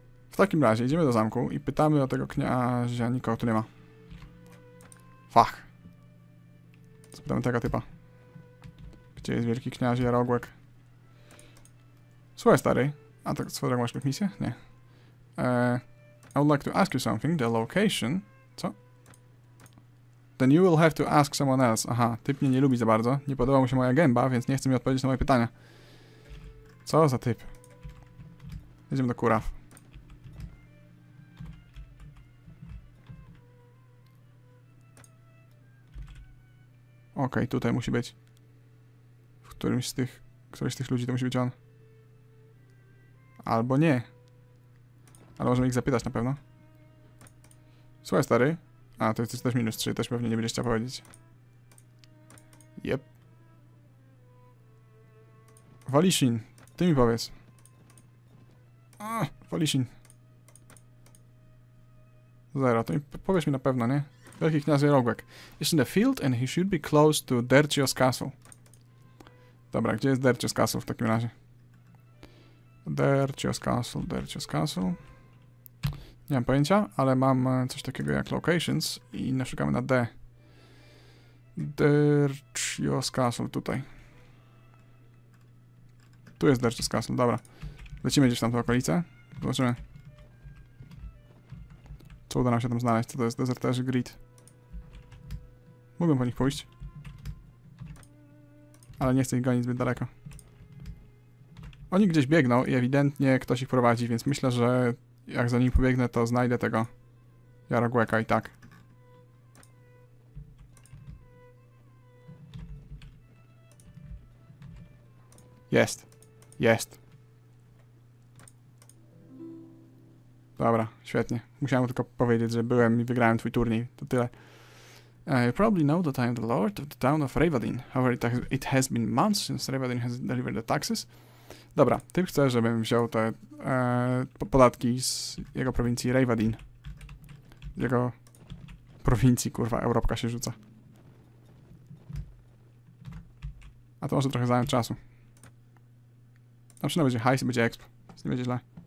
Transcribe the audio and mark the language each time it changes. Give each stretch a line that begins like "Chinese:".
Polish: W takim razie idziemy do zamku i pytamy o tego kniazia, nikogo tu nie ma. Fach. Spytamy tego typa. Gdzie jest wielki kniaz Jarogłek? Słuchaj, stary. A tak swoją drogą masz jakąś misję? Nie.
English: I would like to ask you something. The location. Co? Then you will have to ask someone else.
Polish: Aha, typ mnie nie lubi za bardzo. Nie podoba mu się moja gęba, więc nie chce mi odpowiedzieć na moje pytania. Co za typ? Jedziemy do kuraw. Okej, tutaj musi być. W którymś z tych. Któryś z tych ludzi to musi być on. Albo nie. Ale możemy ich zapytać na pewno. Słuchaj, stary. A, to jest też minus 3, też pewnie nie będzie chciał powiedzieć. Yep. Valishin, ty mi powiedz. Valishin. Zero, to mi powiesz mi na pewno, nie? Wielki kniaz Jarogłek.
English: He's in the field and he should be close to Dercio's Castle.
Polish: Dobra, gdzie jest Dercio's Castle w takim razie? Dercio's Castle. Nie mam pojęcia, ale mam coś takiego jak locations i naszukamy na D. Dercio's Castle, tutaj. Tu jest Dercio's Castle, dobra. Lecimy gdzieś tam w okolice. Zobaczymy. Co uda nam się tam znaleźć, co to jest? Deserterzy Grid. Mógłbym po nich pójść. Ale nie chcę ich gonić zbyt daleko. Oni gdzieś biegną i ewidentnie ktoś ich prowadzi, więc myślę, że jak za nim pobiegnę, to znajdę tego Jarogłeka i tak. Jest. Dobra, świetnie. Musiałem tylko powiedzieć, że byłem i wygrałem twój turniej. To tyle.
English: You probably know that I am the lord of the town of Rayvadin. However, it has been months since Rayvadin has delivered the taxes.
Polish: Dobra, ty chcesz, żebym wziął te podatki z jego prowincji Rayvadin. Jego prowincji, kurwa, Europka się rzuca. A to może trochę zająć czasu. Na przykład będzie hajs i będzie exp. Nie będzie źle.